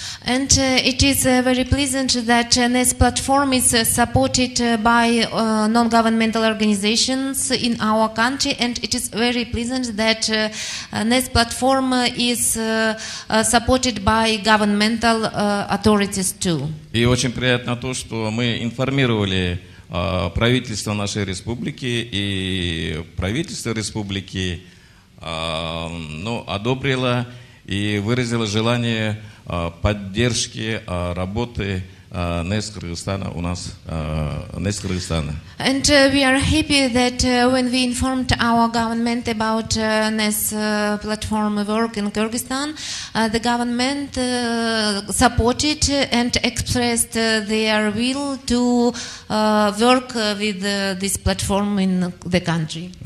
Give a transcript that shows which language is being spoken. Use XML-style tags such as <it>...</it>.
<en>And it is very pleasant that NES platform is supported by non-governmental organizations in our country, and it is very pleasant that NES platform is supported by governmental authorities too.</en> <ru>И очень приятно то, что мы информировали правительство нашей республики, и правительство республики одобрило и выразило желание поддержки работы НЕС Кыргызстана у нас, НЕС Кыргызстана.</ru> <en>And we are happy that when we informed our government about NES platform work in Kyrgyzstan, the government supported and expressed their will to work with this platform in the country.</en>